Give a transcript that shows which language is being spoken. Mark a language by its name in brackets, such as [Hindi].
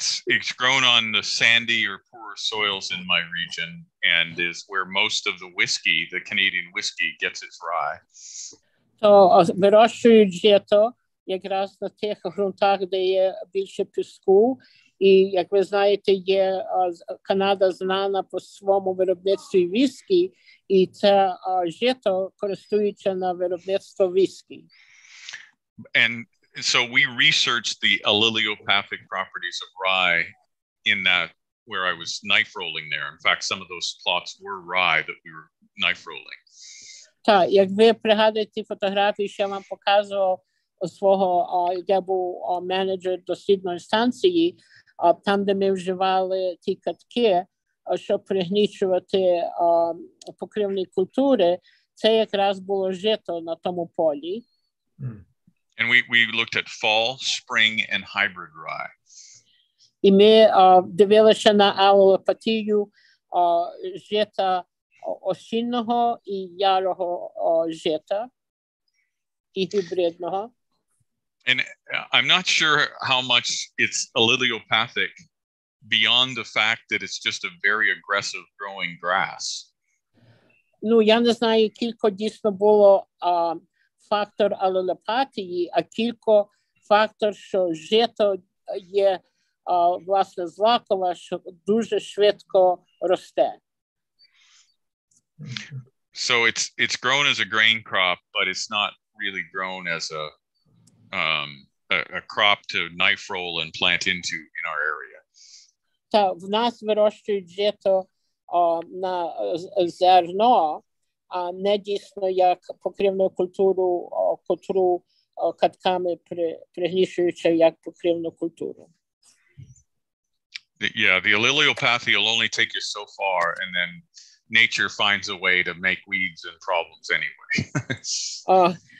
[English] It's grown on the sandy or poor soils in my region and is where most of the whiskey, the Canadian whiskey, gets its rye. [Ukrainian] То вирощують жито якраз на тих ґрунтах, де є більше піску. І, як ви знаєте, є Канада знана по своєму виробництву віскі, і це жито користується на виробництво віскі. [English] And so we researched the allelopathic properties of rye in that where I was knife rolling there. In fact, some of those plots were rye that we were knife rolling. [Ukrainian] Так, як ви пригадуєте фотографії, що я вам показував свого, я був менеджер дослідної станції, там, де ми вживали ті катки, щоб пригнічувати покривні культури, це якраз було жито на тому полі. [English] And we looked at fall, spring, and hybrid rye. [Ukrainian] І ми дивилися на алелопатію жита осінного і ярого жита, і гібридного. [English] And I'm not sure how much it's allelopathic beyond the fact that it's just a very aggressive growing grass. [Ukrainian] Ну, я не знаю, кілько дійсно було фактор алелопатії, а кілько фактор, що жито є власне злакове, що дуже швидко росте. [English] So it's grown as a grain crop, but it's not really grown as a crop to knife roll and plant into in our area. [Ukrainian] Так, в нас вирощують жито на зерно, а не дійсно як покривну культуру, котру катками пригнічуючи як покривну культуру. [English] Yeah, the allelopathy will only take you so far, and then nature finds a way to make weeds and problems anyway.